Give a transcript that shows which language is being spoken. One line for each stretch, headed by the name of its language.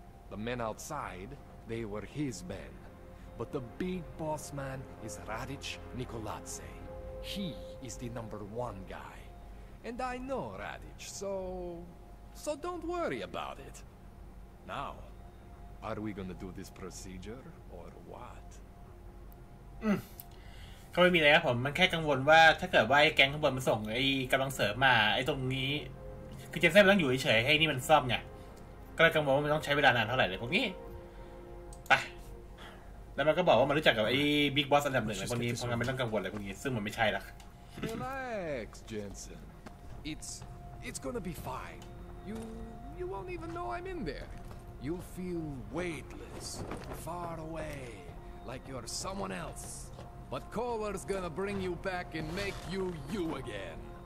English: The men outside, they were his men. But the big boss man is Radic Nikolatse. He is the number one guy. And I know Radic, so don't worry about it. Now, are we gonna do this procedure or what?
Thai: เขาไม่มีอะไรครับผมมันแค่กังวลว่าถ้าเกิดว่าไอ้แก๊งข้างบนมันส่งไอ้กำลังเสริมมาไอ้ตรงนี้คือเจนเซ่ต้องอยู่เฉยๆให้นี่มันซ่อมไงก็เลยกังวลว่ามันต้องใช้เวลานานเท่าไหร่เลยพวกนี้ไปแล้วมันก็บอกว่ามันรู้จักกับไอ้บิ๊กบอสอันดับหนึ่งคนนี้เพราะงั้นไม่ต้องกังวลอะไรพวกนี้ซึ่งมันไม่ใช่หรอก
English: Relax Jensen it's gonna be fine you won't even know I'm in there you'll feel weightless far away like you're someone elseBut Kohler's gonna bring you back and make you you again.